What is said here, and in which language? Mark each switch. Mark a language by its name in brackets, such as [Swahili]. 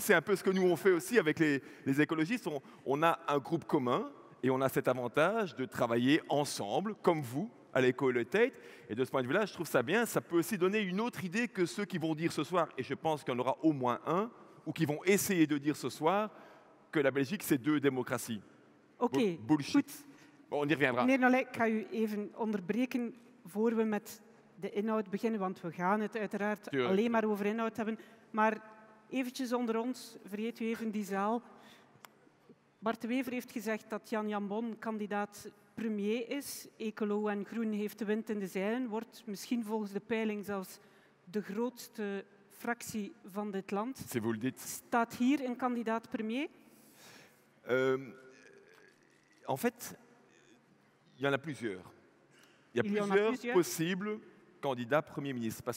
[French] C'est un peu ce que nous, on fait aussi avec les écologistes. On a un groupe commun et on a cet avantage de travailler ensemble, comme vous, à l'Écho et le Tate. Et de ce point de vue-là, je trouve ça bien. Ça peut aussi donner une autre idée que ceux qui vont dire ce soir, et je pense qu'il y en aura au moins un, ou qui vont essayer de dire ce soir que la Belgique, c'est deux démocraties. [English] Ok, bullshit. [French] Bon, on y reviendra. [Dutch] Meneer Nollet, ik ga u even onderbreken voor we met de inhoud beginnen, want we gaan het uiteraard alleen maar over inhoud hebben. Maar eventjes onder ons, vergeet u even die zaal. Bart De Wever heeft gezegd dat Jan Jambon kandidaat premier is. Ecolo en Groen heeft de wind in de zeilen. Wordt misschien volgens de peiling zelfs de grootste fractie van dit land. [French] Si vous le dites. [Dutch] Staat hier een kandidaat premier? [French] En fait, il y en a plusieurs. Il y a plusieurs possibles candidats premier ministre.